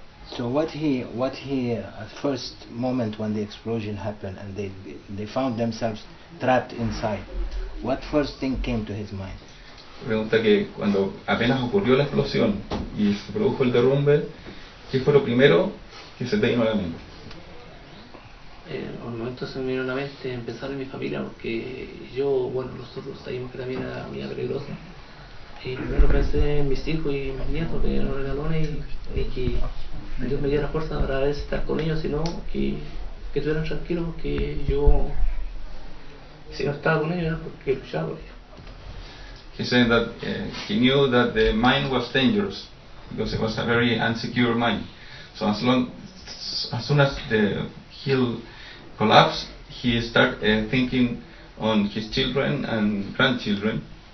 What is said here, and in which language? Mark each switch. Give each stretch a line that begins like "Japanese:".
English: So what he at first moment when the explosion happened and they found themselves trapped inside, what first thing came to his mind?
Spanish: Pregunta que cuando apenas ocurrió la explosión y se produjo el derrumbe, ¿qué fue lo primero que se te vino a la mente? Al momento se me vino a la mente empezar en mi familia porque yo, bueno, nosotros sabíamos que también era muy peligroso. Y primero pensé en mis hijos y mis nietos que eran regalones y que Dios me diera fuerza para estar con ellos, sino que estuvieran tranquilos, que yo, si no estaba con ellos, era porque luchaba por ellos.
English: He said that he knew that the mine was dangerous because it was a very insecure mine. So as soon as the hill collapsed, he started thinking on his children and grandchildren.